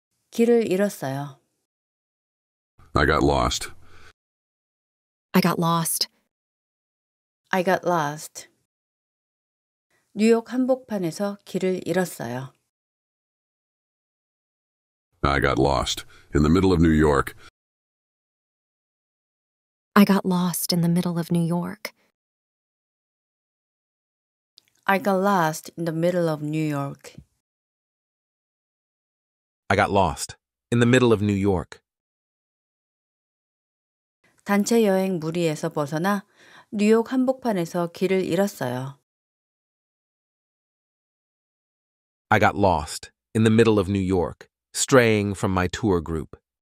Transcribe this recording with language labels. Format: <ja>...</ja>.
<ko>길을 잃었어요.</ko> <en>I got lost. I got lost. I got lost.</en> <ko>뉴욕 한복판에서 길을 잃었어요.</ko> <en>I got lost in the middle of New York. I got lost in the middle of New York. I got lost in the middle of New York. I got lost in the middle of New York.</en> <ko>단체 여행 무리에서 벗어나 뉴욕 한복판에서 길을 잃었어요.</ko> <en>I got lost in the middle of New York, straying from my tour group.</en>